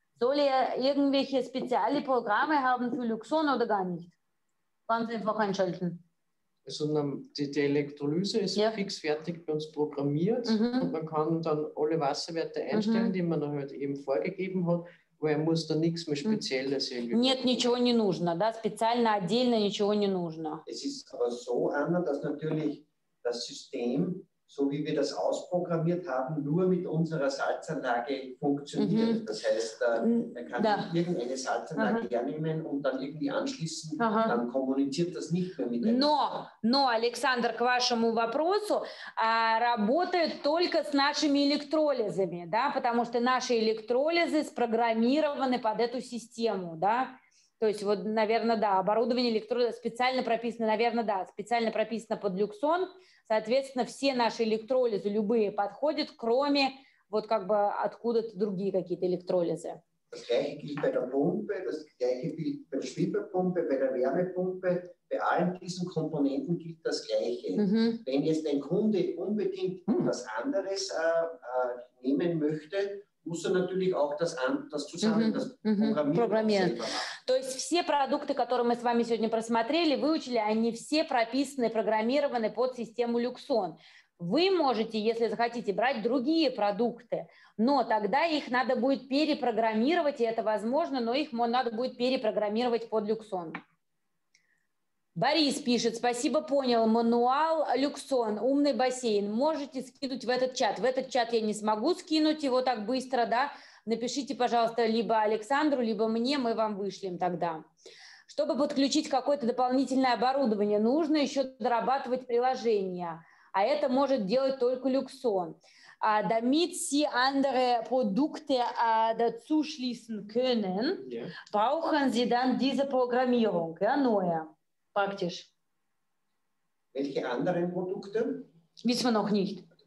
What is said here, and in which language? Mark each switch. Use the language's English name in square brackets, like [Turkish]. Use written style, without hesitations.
[German] Soll er irgendwelche spezielle Programme haben für Luxon oder gar nicht? Ganz einfach einschalten. Also die Elektrolyse ist fix fertig bei uns programmiert und man kann dann alle Wasserwerte einstellen, die man halt eben vorgegeben hat, weil er muss da nichts mehr Spezielles irgendwie. [Russian] Нет, ничего не нужно, да? Специально, отдельно ничего не нужно. [German] Es ist aber so, Anna, dass natürlich das System, so wie wir das ausprogrammiert haben, nur mit unserer Salzanlage funktioniert. Das heißt, man kann irgendeine Salzanlage hernehmen und dann irgendwie anschließen, dann kommuniziert das nicht mehr mit [Russian] Но, Александр, к вашему вопросу, работает только с нашими электролизами, да, потому что наши электролизы спрограммированы под эту систему, да. То есть, вот, наверное, да, оборудование электролиза специально прописано, наверное, да, специально прописано под Люксон. Соответственно, все наши электролизы, любые, подходят, кроме, вот, как бы, откуда-то другие какие-то электролизы. [German] Das gleiche gilt bei der Pumpe, das gleiche gilt bei der Schwimmerpumpe, bei der Wärmepumpe, bei allen diesen Komponenten gilt das gleiche. Wenn jetzt ein Kunde unbedingt etwas anderes nehmen möchte, muss er natürlich auch das zusammen, das Programmieren selber machen. [Russian] То есть все продукты, которые мы с вами сегодня просмотрели, выучили, они все прописаны, программированы под систему Люксон. Вы можете, если захотите, брать другие продукты, но тогда их надо будет перепрограммировать, и это возможно, но их надо будет перепрограммировать под Люксон. Борис пишет, спасибо, понял, мануал Люксон, умный бассейн, можете скинуть в этот чат. В этот чат я не смогу скинуть его так быстро, да, напишите, пожалуйста, либо Александру, либо мне, мы вам вышлем тогда. Чтобы подключить какое-то дополнительное оборудование, нужно еще дорабатывать приложение, а это может делать только Люксон. [German] Damit Sie andere Produkte dazu schließen können, brauchen Sie dann diese Programmierung, ja, neue. Praktisch. Welche anderen Produkte? Das wissen wir noch nicht.